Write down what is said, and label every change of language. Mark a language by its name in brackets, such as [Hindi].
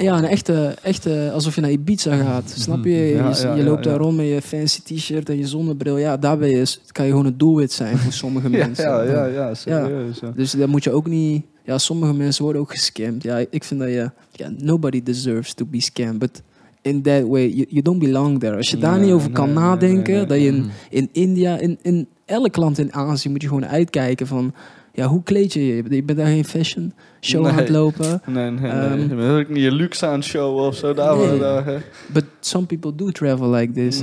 [Dutch] een echte alsof je naar Ibiza gaat. Snap je? Je loopt daar rond met je fancy t-shirt en je zonnebril. Ja, daarbij kan je gewoon een doelwit zijn voor sommige mensen. Dus dat moet je ook niet. Ja, sommige mensen worden ook gescamd. Ja, ik vind dat je... Ja, [English] nobody deserves to be scammed. But in that way, you don't belong there. [Dutch] Als je daar niet over kan nadenken... Dat je in India, in elk land in Azië... Moet je gewoon uitkijken van... Ja, hoe kleed je je? Je bent daar geen fashion show aan het lopen. Nee. Je bent ook niet je luxe aan het showen of zo. [English] But some people do travel like this.